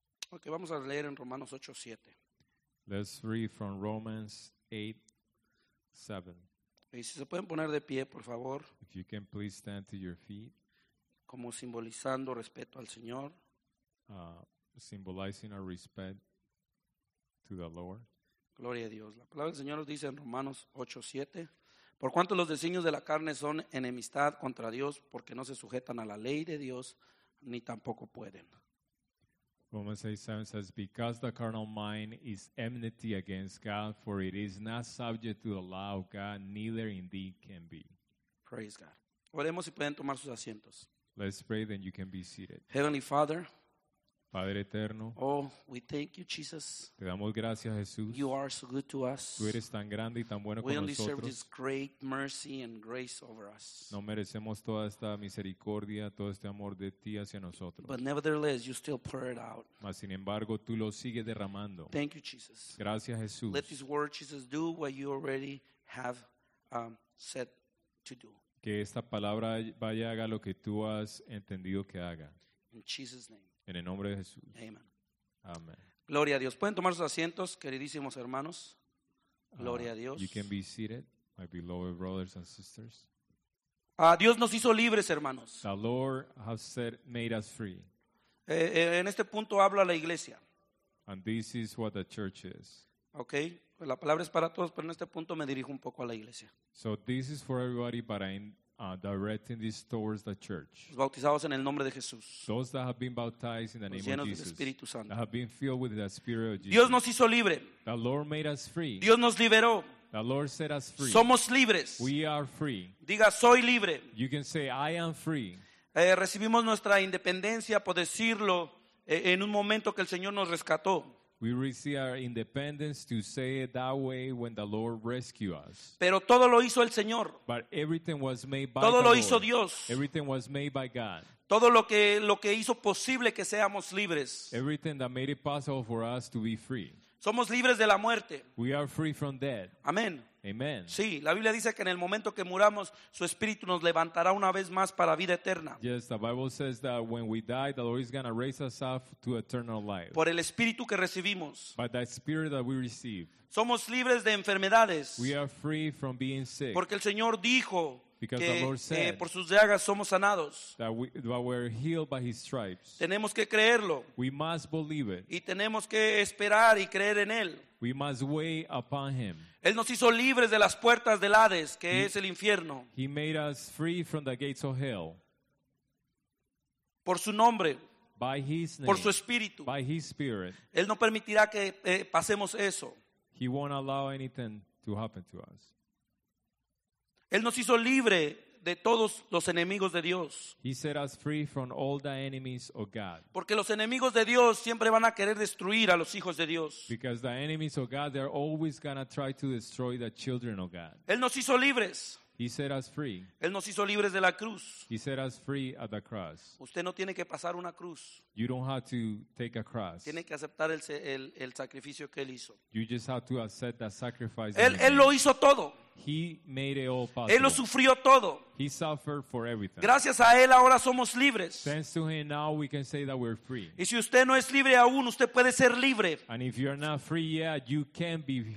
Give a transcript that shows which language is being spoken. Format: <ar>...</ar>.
<es>Okay, vamos a leer en Romanos 8, 7.</es> <en>Let's read from Romans 8, 7.</en> <es>Y si se pueden poner de pie, por favor.</es> <en>If you can please stand to your feet.</en> <es>Como simbolizando respeto al Señor.</es> <en>Symbolizing our respect to the Lord.</en> <es>Gloria a Dios. La palabra del Señor nos dice en Romanos 8, 7. Por cuanto los designios de la carne son enemistad contra Dios, porque no se sujetan a la ley de Dios, ni tampoco pueden.</es> <en>Romans 8, 7 says, because the carnal mind is enmity against God, for it is not subject to the law of God, neither indeed can be. Praise God.</en> <es>Oremos y pueden tomar sus asientos.</es> <en>Let's pray, then you can be seated. Heavenly Father,</en> <es>Padre eterno,</es> <en>oh, we thank you, Jesus.</en> <es>Te damos gracias, Jesús.</es> <en>You are so good to us.</en> <es>Tú eres tan grande y tan bueno con nosotros.</es> <en>We only deserve this great mercy and grace over us.</en> <es>No merecemos toda esta misericordia, todo este amor de ti hacia nosotros.</es> <en>But nevertheless, you still pour it out.</en> <es>Mas sin embargo, tú lo sigues derramando.</es> <en>Thank you, Jesus.</en> <es>Gracias, Jesús.</es> <en>Let this word, Jesus, do what you already have said to do.</en> <es>Que esta palabra vaya y haga lo que tú has entendido que haga.</es> <en>In Jesus' name.</en> <es>En el nombre de Jesús.</es> <en>Amen.</en> <es>Amen. Gloria a Dios. Pueden tomar sus asientos, queridísimos hermanos. Gloria a Dios.</es> <en>You can be seated, my beloved brothers and sisters.</en> <es>Dios nos hizo libres, hermanos.</es> <en>The Lord has said, made us free.</en> <es>En este punto habla la iglesia.</es> <en>And this is what the church is. Okay.</en> <es>Pues la palabra es para todos, pero en este punto me dirijo un poco a la iglesia.</es> <en>So this is for everybody, but I'm directing this towards the church.</en> <es>Los bautizados en el nombre de Jesús.</es> <en>Those that have been baptized in the</en> <es>los</es> <en>name of Jesus.</en> <es>Del Espíritu Santo.</es> <en>That have been filled with the Spirit of Jesus.</en> <es>Dios nos hizo libre.</es> <en>The Lord made us free.</en> <es>Dios nos liberó.</es> <en>The Lord set us free.</en> <es>Somos libres.</es> <en>We are free.</en> <es>Diga, soy libre.</es> <en>You can say, I am free.</en> <es>Recibimos nuestra independencia, por decirlo, en un momento que el Señor nos rescató.</es> <en>We receive our independence to say it that way when the Lord rescued us.</en> <es>Pero todo lo hizo el Señor.</es> <en>But everything was made by</en> <es>todo</es> <en>the Lord.</en> <es>Todo lo hizo Dios.</es> <en>Everything was made by God.</en> <es>Todo lo que hizo posible que seamos libres.</es> <en>Everything that made it possible for us to be free.</en> <es>Somos libres de la muerte.</es> <en>We are free from death.</en> <es>Amén.</es> <en>Amen.</en> <es>Sí, la Biblia dice que en el momento que muramos, su espíritu nos levantará una vez más para vida eterna.</es> <en>Yes, the Bible says that when we die, the Lord is going to raise us up to eternal life.</en> <es>Por el espíritu que recibimos.</es> <en>By the spirit that we receive.</en> <es>Somos libres de enfermedades.</es> <en>We are free from being sick.</en> <es>Porque el Señor dijo</es> <en>because</en> <es>que</es> <en>the Lord said</en> <es>por sus llagas somos sanados.</es> <en>That we're healed by his stripes.</en> <es>Tenemos que creerlo.</es> <en>We must believe it.</en> <es>Y tenemos que esperar y creer en él.</es> <en>We must wait upon him.</en> <es>Él nos hizo libres de las puertas del Hades, que es el infierno.</es> <en>He made us free from the gates of hell.</en> <es>Por su nombre.</es> <en>By his name.</en> <es>Por su espíritu.</es> <en>By his spirit.</en> <es>Él no permitirá que pasemos eso.</es> <en>He won't allow anything to happen to us.</en> <es>Él nos hizo libre de todos los enemigos de Dios.</es> <en>He set us free from all the enemies of God.</en> <es>Porque los enemigos de Dios siempre van a querer destruir a los hijos de Dios.</es> <en>Because the enemies of God, they're always gonna try to destroy the children of God.</en> <es>Él nos hizo libres.</es> <en>He set us free.</en> <es>Él nos hizo libres de la cruz.</es> <en>He set us free at the cross.</en> <es>Usted no tiene que pasar una cruz.</es> <en>You don't have to take a cross.</en> <es>Tiene que aceptar el sacrificio que él hizo.</es> <en>You just have to accept that sacrifice.</en> <es>Él lo hizo todo.</es> <en>He made it all possible.</en> <es>Él lo sufrió todo.</es> <en>He suffered for everything.</en> <es>Gracias a él ahora somos libres.</es> <en>Thanks to him now we can say that we're free.</en> <es>Y si usted no es libre aún, usted puede ser libre.</es> <en>And if you're not free yet, you can be free.</en>